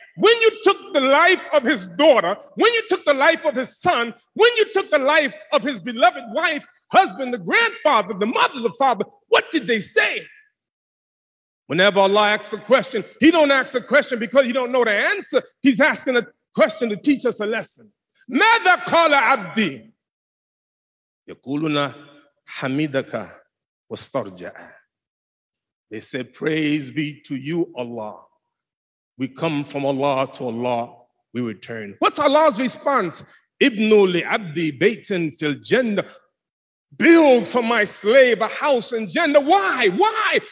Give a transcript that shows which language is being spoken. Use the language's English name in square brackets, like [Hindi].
[English] When you took the life of his daughter, when you took the life of his son, when you took the life of his beloved wife, husband, the grandfather, the mother, the father, what did they say? Whenever Allah asks a question, he don't ask a question because he don't know the answer. He's asking a question to teach us a lesson. [Arabic] ماذا قال عبدي؟ يقولنا حمدك واسترجع. [English] They said, praise be to you, Allah. We come from Allah to Allah, we return. What's Allah's response? [Arabic] Ibnu li abdi baytin fil jannah. [English] Build for my slave a house in Jannah. Why? Why?